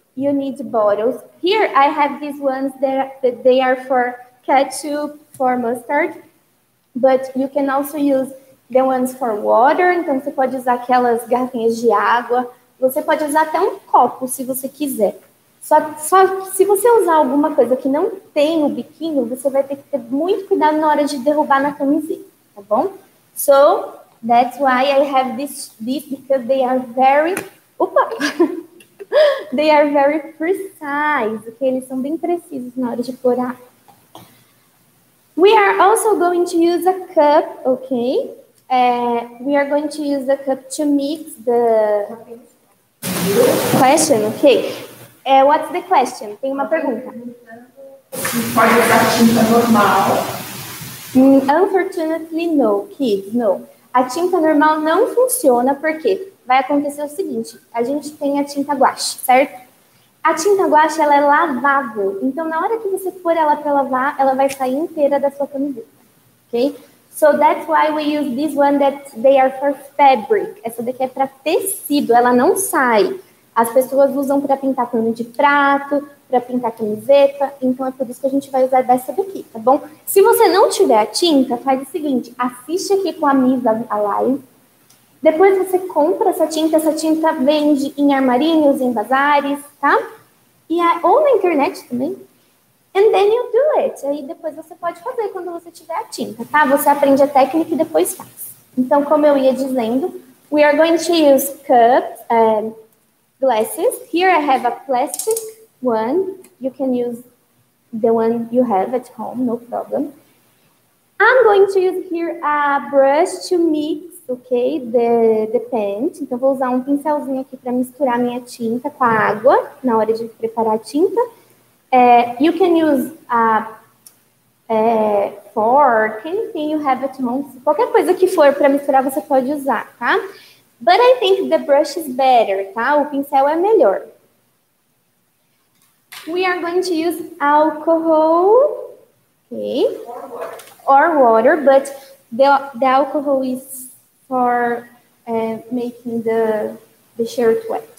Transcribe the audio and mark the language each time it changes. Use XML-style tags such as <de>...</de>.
<en>You need bottles. Here, I have these ones that they are for ketchup, for mustard, but you can also use the ones for water.</en> <pt>Então, você pode usar aquelas garrafinhas de água. Você pode usar até um copo, se você quiser. Só se você usar alguma coisa que não tem o biquinho, você vai ter que ter muito cuidado na hora de derrubar na camiseta, tá bom?</pt> <en>So, that's why I have this because they are very... Opa! They are very precise. Okay?</en> <pt>Eles são bem precisos na hora de pôr a...</pt> <en>We are also going to use a cup, okay? We are going to use a cup to mix the question, okay? What's the question?</en> <pt>Tem uma pergunta. Pode usar tinta normal?</pt> <en>Unfortunately, no, kids, no.</en> <pt>A tinta normal não funciona porque vai acontecer o seguinte, a gente tem a tinta guache, certo? A tinta guache, ela é lavável. Então, na hora que você pôr ela para lavar, ela vai sair inteira da sua camiseta. Ok?</pt> <en>So, that's why we use this one that they are for fabric.</en> <pt>Essa daqui é para tecido, ela não sai. As pessoas usam para pintar pano de prato, para pintar camiseta. Então, é por isso que a gente vai usar dessa daqui, tá bom? Se você não tiver a tinta, faz o seguinte. Assiste aqui com a Misa a live. Depois você compra essa tinta vende em armarinhos, em bazares, tá? E a, ou na internet também.</pt> <en>And then you do it.</en> <pt>Aí depois você pode fazer quando você tiver a tinta, tá? Você aprende a técnica e depois faz. Então, como eu ia dizendo,</pt> <en>we are going to use cups, glasses. Here I have a plastic one. You can use the one you have at home, no problem. I'm going to use here a brush to mix. Ok, the paint.</en> <pt>Então, vou usar um pincelzinho aqui para misturar minha tinta com a água na hora de preparar a tinta.</pt> <en>You can use a fork, anything you have at home.</en> <pt>Qualquer coisa que for para misturar, você pode usar, tá?</pt> <en>But I think the brush is better, tá?</en> <pt>O pincel é melhor.</pt> <en>We are going to use alcohol. Ok. Or water, but the alcohol is for making the shirt wet.</en>